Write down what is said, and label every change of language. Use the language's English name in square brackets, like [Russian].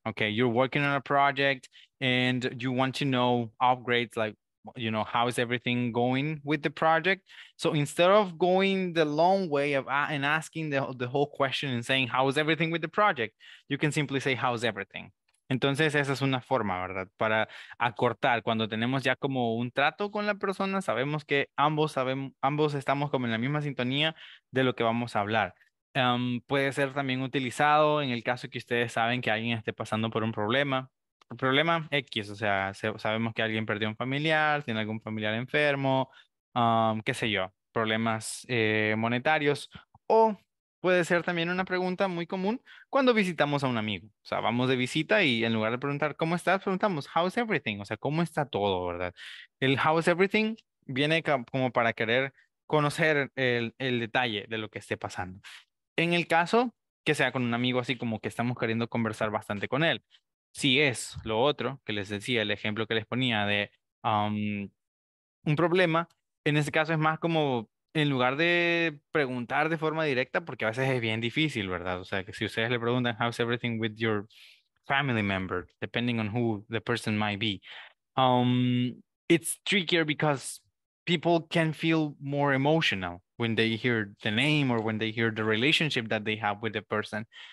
[English] Okay, you're working on a project and you want to know upgrades, like, you know, how is everything going with the project? So instead of going the long way of and asking the whole question and saying, how is everything with the project? You can simply say, how is everything? [Spanish] Entonces, esa es una forma, ¿verdad? Para acortar, cuando tenemos ya como un trato con la persona, sabemos que ambos estamos como en la misma sintonía de lo que vamos a hablar. Puede ser también utilizado en el caso que ustedes saben que alguien esté pasando por un problema. Problema X, o sea, sabemos que alguien perdió un familiar, tiene algún familiar enfermo, qué sé yo, problemas monetarios. O puede ser también una pregunta muy común cuando visitamos a un amigo. O sea, vamos de visita y en lugar de preguntar cómo estás, preguntamos [English] how is everything, [Spanish] o sea, cómo está todo, ¿verdad? El [English] how is everything [Spanish] viene como para querer conocer el detalle de lo que esté pasando. En el caso que sea con un amigo así como que estamos queriendo conversar bastante con él. Si es lo otro que les decía, el ejemplo que les ponía de un problema, en ese caso es más como en lugar de preguntar de forma directa, porque a veces es bien difícil, ¿verdad? O sea, que si ustedes le preguntan, [English] how's everything with your family member, depending on who the person might be, it's trickier because people can feel more emotional when they hear the name or when they hear the relationship that they have with the person.